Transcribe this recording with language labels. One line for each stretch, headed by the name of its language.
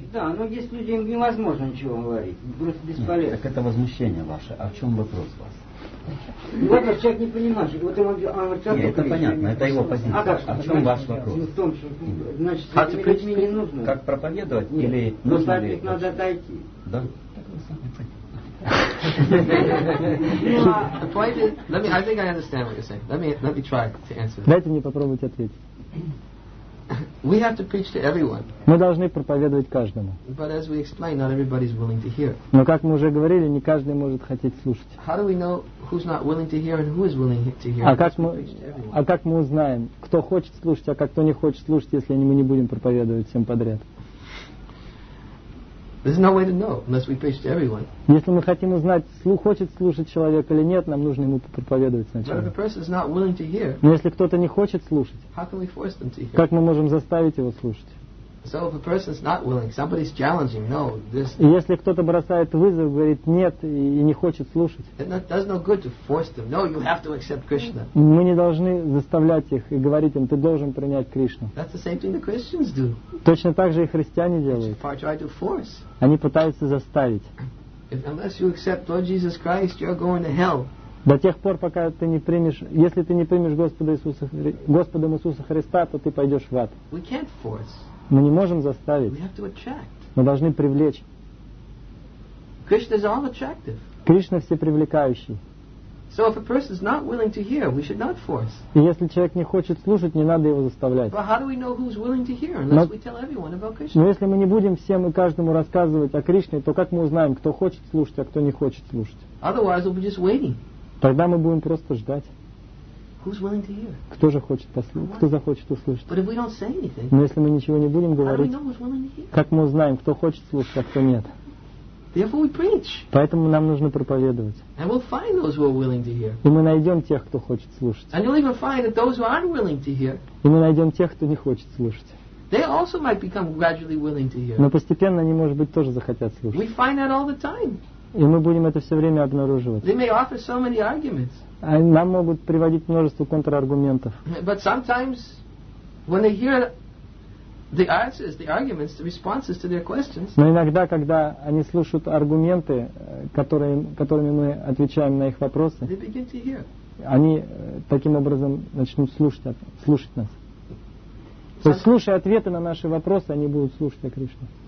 Russian: Да, но есть людям невозможно ничего говорить, просто бесполезно. Так это возмущение ваше. А в чем вопрос вас? Вот наш человек не понимает. Вот он говорит, что это понятно, это его позиция. А в чем ваш вопрос? В том, что значит, а этими не нужно. Как проповедовать или нужно ли? Ну, надо отойти. Да.
English: I think I understand what you're saying. Let me try to answer.
Russian: Дайте мне попробовать ответить.
English: We have to preach to everyone.
Russian: Мы должны проповедовать каждому.
English: But as we explained, not everybody is willing to hear.
Russian: Но как мы уже говорили, не каждый может хотеть слушать.
English: How do we know who's not willing to hear and who is willing to hear?
Russian: А как мы узнаем, кто хочет слушать, а кто не хочет слушать, если мы не будем проповедовать всем подряд?
English: There's no way to know unless we preach to everyone.
Russian: Если мы хотим узнать, хочет слушать человек или нет, нам нужно ему проповедовать сначала.
English: But if a person is not willing to hear,
Russian: но если кто-то не хочет слушать,
English: how can we force them to hear?
Russian: Как мы можем заставить его слушать?
English: So if a person is not willing, somebody's challenging, no, this.
Russian: И если кто-то бросает вызов, говорит нет и не хочет слушать,
English: it does no good to force them. No, you have to accept Krishna.
Russian: Мы не должны заставлять их и говорить им, ты должен принять Кришну.
English: That's the same thing the Christians do.
Russian: Точно так же и христиане делают.
English: They try to force.
Russian: Они пытаются заставить.
English: Unless you accept Lord Jesus Christ, you're going to hell.
Russian: До тех пор, пока ты не примешь, если ты не примешь Господом Иисуса Христа, то ты пойдешь в ад.
English: We can't force.
Russian: Мы не можем заставить.
English: We have to attract.
Russian: Мы должны привлечь.
English: Krishna is all attractive.
Russian: Кришна всепривлекающий.
English: So if a person is not willing to hear, we should not force.
Russian: И если человек не хочет слушать, не надо его заставлять.
English: But how do we know who's willing to hear unless we tell everyone about Krishna?
Russian: Но если мы не будем всем и каждому рассказывать о Кришне, то как мы узнаем, кто хочет слушать, а кто не хочет слушать?
English: Otherwise, we'll be just waiting.
Russian: Тогда мы будем просто ждать.
English: Who's willing to hear?
Russian: Кто же хочет послушать? Кто захочет услышать?
English: But if we don't say anything,
Russian: но если мы ничего не будем говорить,
English: how do we know who's willing to hear?
Russian: Как мы узнаем, кто хочет слушать, а кто нет?
English: Therefore we preach.
Russian: Поэтому нам нужно проповедовать.
English: And we'll find those who are willing to hear.
Russian: И мы найдем тех, кто хочет слушать.
English: And we'll even find that those who aren't willing to hear.
Russian: И мы найдем тех, кто не хочет слушать.
English: They also might become gradually willing to hear.
Russian: Но постепенно они, может быть, тоже захотят слушать.
English: We find that all the time.
Russian: И мы будем это все время обнаруживать.
English: They may offer so many arguments.
Russian: Нам могут приводить множество контраргументов.
English: But sometimes when they hear the answers, the arguments, the responses to their questions.
Russian: Но иногда, когда они слушают аргументы, которыми мы отвечаем на их вопросы,
English: they begin to hear.
Russian: Они таким образом начнут слушать нас. То есть, слушая ответы на наши вопросы, они будут слушать о Кришне.